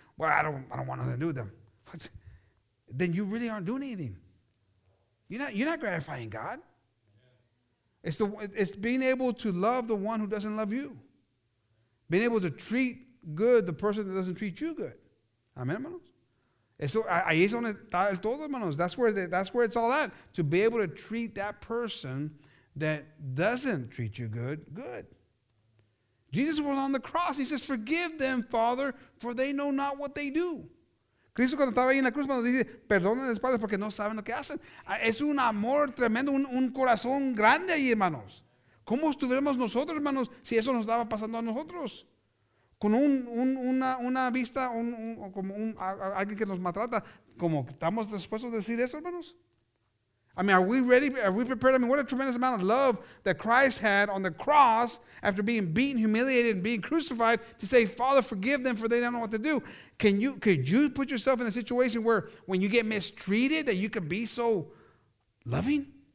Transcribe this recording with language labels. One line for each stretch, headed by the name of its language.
English: Well, I don't want nothing to do with them. What? Then you really aren't doing anything. You're not gratifying God. It's being able to love the one who doesn't love you. Being able to treat good the person that doesn't treat you good.
Spanish: Amen, hermanos. Eso, ahí es donde está el todo, hermanos.
English: That's where it's all at. To be able to treat that person that doesn't treat you good, good. Jesus was on the cross. He says, forgive them, Father, for they know not what they do.
Spanish: Cristo cuando estaba ahí en la cruz, cuando dice, perdónenles, padres, porque no saben lo que hacen. Es un amor tremendo, un corazón grande ahí, hermanos. ¿Cómo estuviéramos nosotros, hermanos, si eso nos estaba pasando a nosotros? Con una vista, alguien que nos maltrata, ¿cómo estamos dispuestos a decir eso, hermanos?
English: I mean, are we ready? Are we prepared? I mean, what a tremendous amount of love that Christ had on the cross after being beaten, humiliated, and being crucified to say, Father, forgive them, for they don't know what to do. Could you put yourself in a situation where when you get mistreated that you can be so loving?